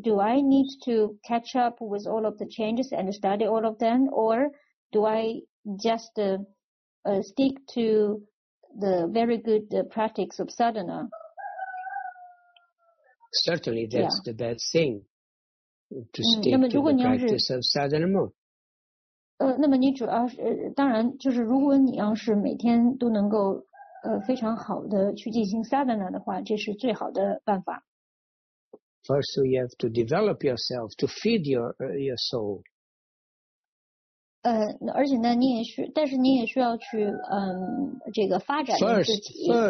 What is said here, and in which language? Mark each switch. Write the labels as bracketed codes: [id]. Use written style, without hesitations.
[en] Do I need to catch up with all of the changes and study all of them, or do I just stick to the very good practice of sadhana? Certainly, that's the best thing, to stick to the practice of sadhana more. [zh] 那么你主要是当然就是如果你要是每天都能够非常好的去进行 sadhana 的话，这是最好的办法。 [en] First, you have to develop yourself to feed your soul. [zh] 而且呢，你也需，但是你也需要去这个发展自己。